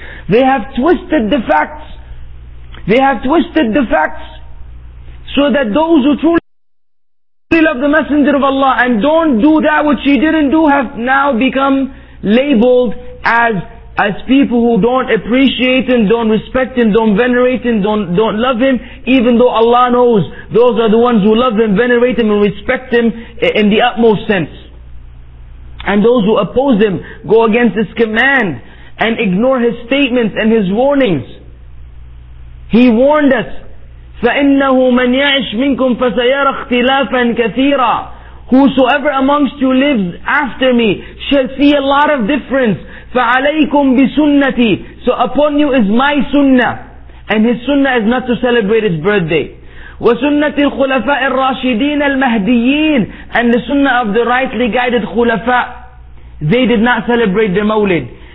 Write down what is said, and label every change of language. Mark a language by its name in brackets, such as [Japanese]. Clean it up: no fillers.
[English] They have twisted the facts. They have twisted the facts so that those who truly love the Messenger of Allah and don't do that which he didn't do have now become labeled as people who don't appreciate him, don't respect him, don't venerate him, don't love him, even though Allah knows those are the ones who love him, venerate him, and respect him in the utmost sense. And those who oppose him go against his command and ignore his statements and his warnings. He warned us, [Arabic] فَإِنَّهُ مَنْ يَعِشْ مِنْكُمْ فَسَيَرَ اخْتِلَافًا كَثِيرًا. [English] Whosoever amongst you lives after me shall see a lot of difference. [Arabic] فَعَلَيْكُمْ بِسُنَّتِي. [English] So upon you is my sunnah. And his sunnah is not to celebrate his birthday. [Arabic] وَسُنَّةِ الْخُلَفَاءِ الرَّاشِدِينَ الْمَهْدِيِّينَ. [English] And the sunnah of the rightly guided khulafa. They did not celebrate the Mawlid.